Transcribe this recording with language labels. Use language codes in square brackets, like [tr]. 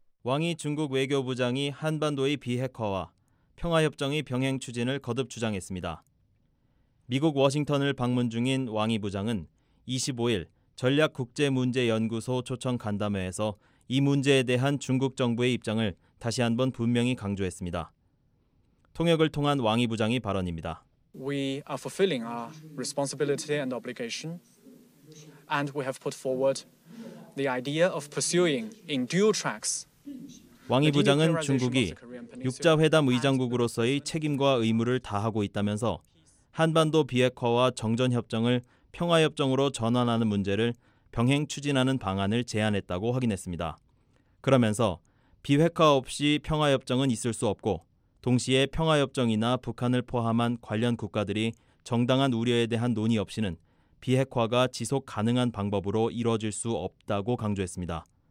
[ko] 왕이 중국 외교부장이 한반도의 비핵화와 평화협정의 병행 추진을 거듭 주장했습니다. 미국 워싱턴을 방문 중인 왕이 부장은 25일 전략국제문제연구소 초청 간담회에서 이 문제에 대한 중국 정부의 입장을 다시 한번 분명히 강조했습니다. 통역을 통한 왕이 부장의 발언입니다. [en] We are fulfilling our responsibility and obligation, and we have put forward the idea of pursuing in dual tracks. [ko] 왕이 부장은 중국이 육자회담 의장국으로서의 책임과 의무를 다하고 있다면서 한반도 비핵화와 정전협정을 평화협정으로 전환하는 문제를 병행 추진하는 방안을 제안했다고 확인했습니다. 그러면서 비핵화 없이 평화협정은 있을 수 없고 동시에 평화협정이나 북한을 포함한 관련 국가들이 정당한 우려에 대한 논의 없이는 비핵화가 지속 가능한 방법으로 이뤄질 수 없다고 강조했습니다.